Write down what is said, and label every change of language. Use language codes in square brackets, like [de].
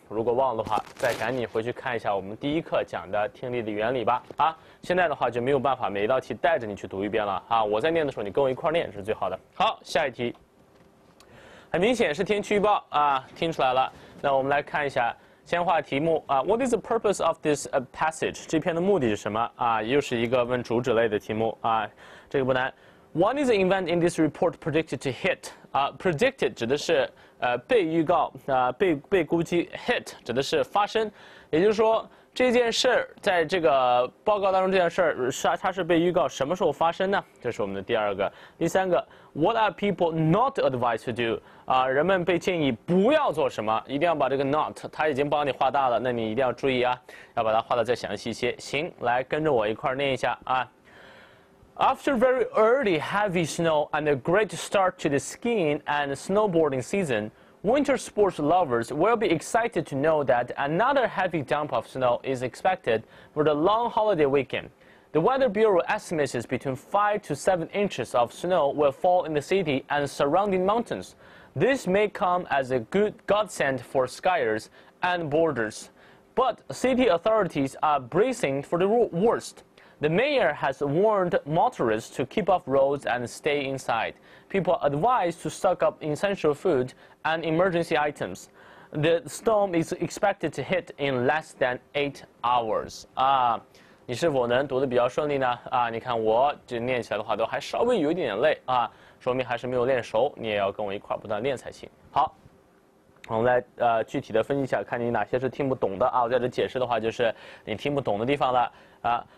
[zh] 如果忘了的话，再赶紧回去看一下我们第一课讲的听力的原理吧。啊，现在的话就没有办法每一道题带着你去读一遍了啊。我在念的时候，你跟我一块念是最好的。好，下一题，很明显是天气预报啊，听出来了。那我们来看一下，先画题目啊、 [en] What is the purpose of this passage? [zh] 这篇的目的是什么啊、又是一个问主旨类的题目啊、这个不难。 [en] What is the event in this report predicted to hit? [zh] Predicted 指的是被预告啊、被估计 hit 指的是发生，也就是说这件事在这个报告当中，这件事它是被预告什么时候发生呢？这是我们的第二个。第三 [en] 个 ，What are people not advised to do？ [zh] 啊，人们被建议不要做什么，一定要把这个 not， 它已经帮你画大了，那你一定要注意啊，要把它画得再详细一些。行，来跟着我一块念一下啊。 [en] After very early heavy snow and a great start to the skiing and snowboarding season. Winter sports lovers will be excited to know that another heavy dump of snow is expected for the long holiday weekend. The Weather Bureau estimates between 5 to 7 inches of snow will fall in the city and surrounding mountains. This may come as a good godsend for skiers and boarders. But city authorities are bracing for the worst. The mayor has warned motorists to keep off roads and stay inside. People are advised to stock up essential food and emergency items. The storm is expected to hit in less than 8 hours. [zh] 啊、你是否能读得比较顺利呢？啊、你看我这念起来的话都还稍微有一点点累啊，说明还是没有练熟，你也要跟我一块不断练才行。好。我们来具体的分析一下，看你哪些是听不懂的啊。我在这解释的话，就是你听不懂的地方了啊。